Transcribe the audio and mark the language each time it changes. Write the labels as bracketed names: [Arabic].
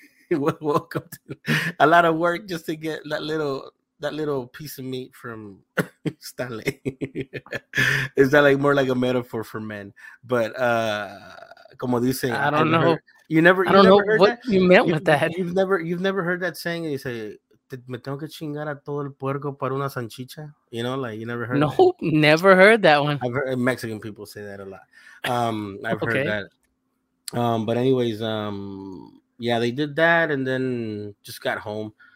[English] welcome to a lot of work just to get that little piece of meat from Stanley. Is that like more like a metaphor for men? But [Spanish] como dicen, [English] I don't know. You've never heard that saying. You say, [Spanish] "Me tengo que chingar a todo el puerco para una salchicha." [English] You know, like you never heard. No, never heard that one. I've heard Mexican people say that a lot. I've heard that. But anyways, they did that, and then just got home.